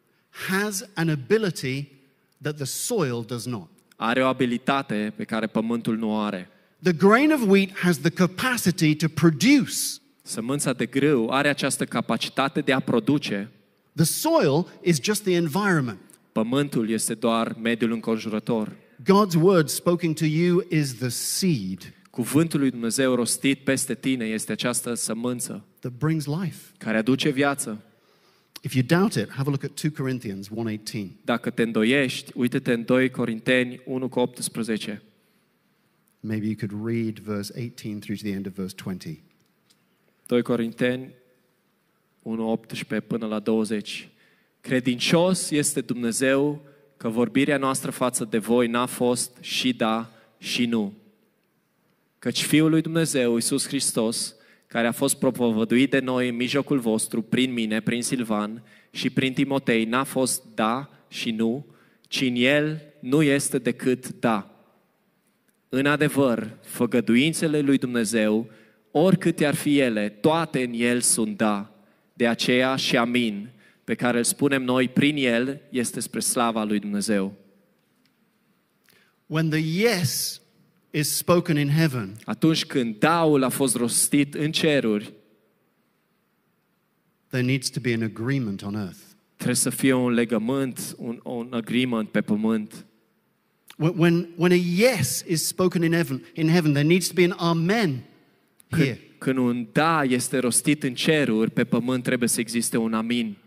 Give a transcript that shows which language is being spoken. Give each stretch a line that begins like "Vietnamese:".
English: has an ability that the soil does not.
Romanian: Are o abilitate pe care pământul nu are.
English: The grain of wheat has the capacity to produce.
Romanian: Sămânța de grâu are această capacitate de a produce.
English: The soil is just the environment.
Romanian: Pământul este doar mediul înconjurător.
English: God's word spoken to you is the seed.
Romanian: Cuvântul lui Dumnezeu rostit peste tine este această sămânță
English: that brings life.
Romanian: Care aduce viață.
English: If you doubt it, have a look at 2 Corinthians 1:18.
Romanian: Dacă te îndoiești, uită-te în 2 Corinteni 1:18.
English: Maybe you could read verse 18 through to the end of verse 20.
Romanian: 2 Corinteni 1:18 până la 20. Credincios este Dumnezeu că vorbirea noastră față de voi n-a fost și da și nu. Căci Fiul lui Dumnezeu, Iisus Hristos, care a fost propovăduit de noi în mijlocul vostru, prin mine, prin Silvan și prin Timotei, n-a fost da și nu, ci în El nu este decât da. În adevăr, făgăduințele lui Dumnezeu, oricât ar fi ele, toate în El sunt da. De aceea și amin, pe care îl spunem noi prin El, este spre slava lui Dumnezeu.
English: When the yes is spoken in heaven.
Romanian: Atunci când daul a fost rostit în ceruri,
English: there needs to be an agreement on earth.
Romanian: Trebuie să fie un legământ, un agreement pe pământ.
English: When a yes is spoken in heaven, there needs to be an amen here.
Romanian: Când un da este rostit în ceruri, pe pământ trebuie să existe un amin.